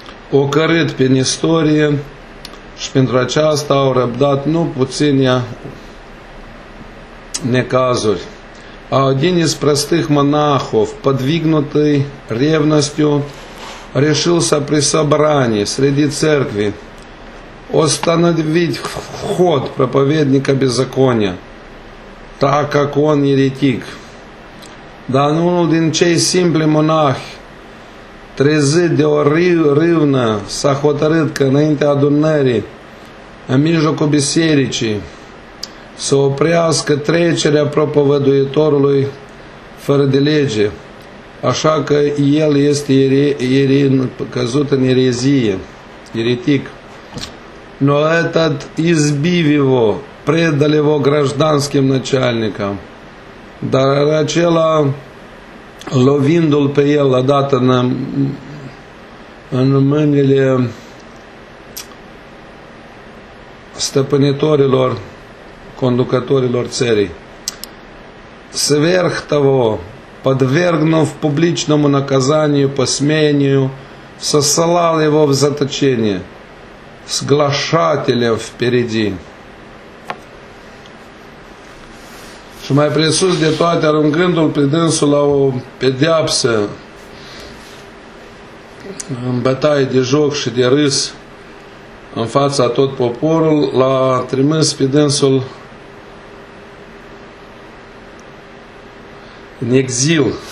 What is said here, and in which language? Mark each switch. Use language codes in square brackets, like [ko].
[ro] ocărât prin istorie și pentru aceasta au răbdat nu puține necazuri. [ru] A один из простых монахов, подвигнутый ревностью, решился при собрании среди церкви остановить вход проповедника беззакония, так как он еретик. [ro] Да, unul din cei simpli monahi, trezit de o râvnă, s-a hotărât că înaintea adunării, în mijlocul bisericii, să oprească trecerea propovăduitorului fără de lege, așa că el este căzut în erezie, еретик. [ru] Но этот, избив его, предал его гражданским начальникам. [ro] Dar acela, lovindu-l pe el, l-a dat în mâinile stăpânitorilor, conducătorilor țării. [ru] Сверх того, подвергнув публичному наказанию, посмеянию, сослал его в заточение с глашателем впереди. [ro] Și mai presus de toate, aruncându-l pe dânsul la o pedeapsă, în bătaie de joc și de râs, în fața tot poporul, l-a trimis pe dânsul în exil.